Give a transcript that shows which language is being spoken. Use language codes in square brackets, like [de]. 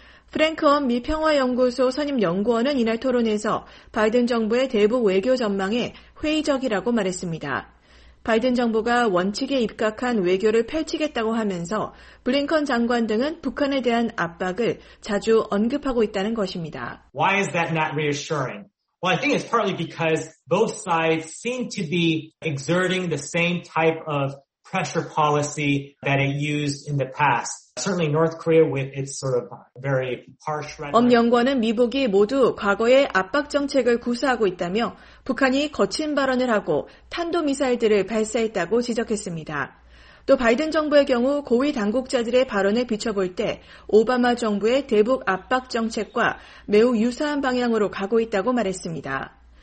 [ko] 프랭크 엄 미 평화연구소 선임 연구원은 이날 토론에서 바이든 정부의 대북 외교 전망에 회의적이라고 말했습니다. 바이든 정부가 원칙에 입각한 외교를 펼치겠다고 하면서 블링컨 장관 등은 북한에 대한 압박을 자주 언급하고 있다는 것입니다. [en] Why is that not reassuring? Well, I think it's partly because both sides seem to be exerting the same type of pressure policy that it used in the past. Certainly North Korea with its sort of very harsh rhetoric. [ko] 엄 연구원은 미북이 모두 과거의 압박 정책을 구사하고 있다며 북한이 거친 발언을 하고 탄도미사일들을 발사했다고 지적했습니다. 또 바이든 정부의 경우 고위 당국자들의 발언에 비춰볼 때 오바마 정부의 대북 압박 정책과 매우 유사한 방향으로 가고 있다고 말했습니다.